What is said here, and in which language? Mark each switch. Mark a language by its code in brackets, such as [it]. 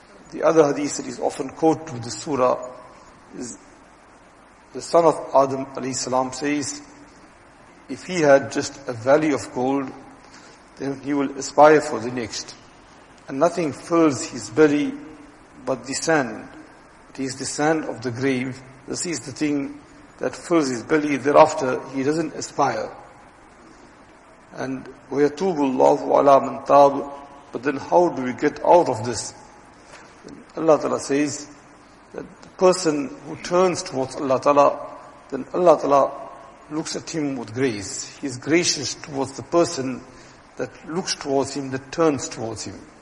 [en] The other hadith that is often quoted with the surah is the son of Adam alayhi salam says, if he had just a valley of gold, then he will aspire for the next. And nothing fills his belly but the sand. It is the sand of the grave. This is the thing that fills his belly. Thereafter, he doesn't aspire. And [ar] وَيَتُوبُ اللَّهُ عَلَىٰ مَنْ تَابُ. [en] But then how do we get out of this? Allah Ta'ala says that the person who turns towards Allah Ta'ala, then Allah Ta'ala looks at him with grace. He is gracious towards the person that looks towards him, that turns towards him.